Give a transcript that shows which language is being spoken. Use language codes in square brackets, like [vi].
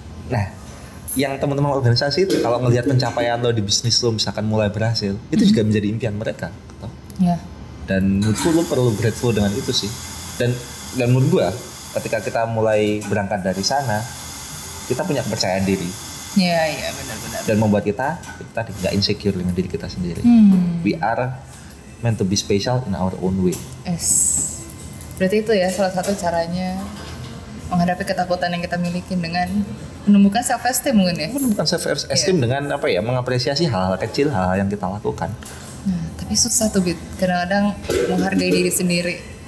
[id] Nah, yang teman-teman organisasi itu kalau melihat pencapaian lo di bisnis lo misalkan mulai berhasil, itu juga menjadi impian mereka, toh. Dan menurutku lo perlu grateful dengan itu sih. Dan menurut gua ketika kita mulai berangkat dari sana, kita punya kepercayaan diri. Iya, iya, benar-benar. Dan membuat kita tidak insecure dengan diri kita sendiri. [en] We are meant to be special in our own way. Yes. [id] Berarti itu ya salah satu caranya menghadapi ketakutan yang kita miliki dengan menemukan self-esteem mungkin ya? Menemukan self-esteem dengan apa ya, mengapresiasi hal-hal kecil, hal-hal yang kita lakukan. Nah, tapi susah tuh, Bit. Kadang-kadang menghargai diri sendiri.